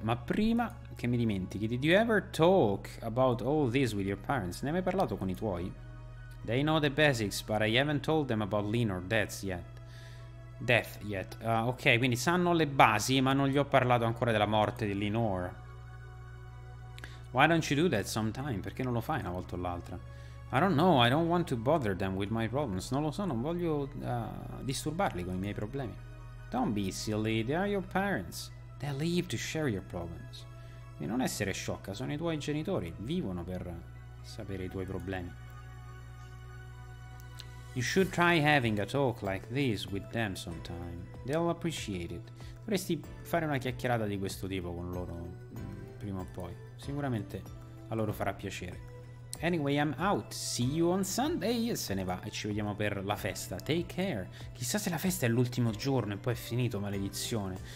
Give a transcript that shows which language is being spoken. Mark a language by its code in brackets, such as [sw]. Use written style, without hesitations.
[it] Ma prima che mi dimentichi, [en] did you ever talk about all this with your parents? [it] Ne hai mai parlato con i tuoi? [en] They know the basics, but I haven't told them about Lean or Death yet. [it] Ok, quindi sanno le basi, ma non gli ho parlato ancora della morte di Lenore. [en] Why don't you do that sometime? [it] Perché non lo fai una volta o l'altra? [en] I don't know, I don't want to bother them with my problems. [it] Non lo so, non voglio disturbarli con i miei problemi. [en] Don't be silly, they are your parents. They live to share your problems. [it] E non essere sciocca, sono i tuoi genitori. Vivono per sapere i tuoi problemi. [en] You should try having a talk like this with them sometime. They'll appreciate it. [it] Dovresti fare una chiacchierata di questo tipo con loro prima o poi. Sicuramente a loro farà piacere. [en] Anyway, I'm out. See you on Sunday. [it] E se ne va. E ci vediamo per la festa. [en] Take care. [it] Chissà se la festa è l'ultimo giorno e poi è finito, maledizione.